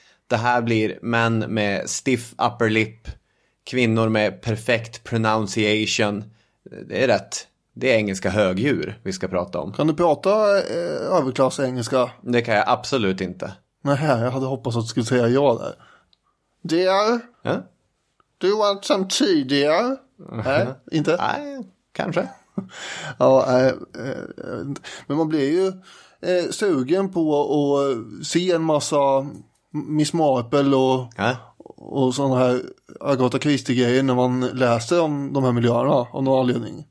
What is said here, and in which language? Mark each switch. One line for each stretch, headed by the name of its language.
Swedish: Det här blir män med stiff upper lip, kvinnor med perfekt pronunciation. Det är rätt. Det är engelska högdjur vi ska prata om. Kan du prata överklass engelska? Det kan jag absolut inte. Nej, jag hade hoppats att du skulle säga ja där.
English: Dear, yeah? Do you want some tea, dear?
Swedish: Nej, inte? Nej, kanske. Ja, men man blir ju sugen på att se en massa Miss Marple och, och sådana här Agatha Christie-grejer när man läser om de här miljöerna av någon anledning.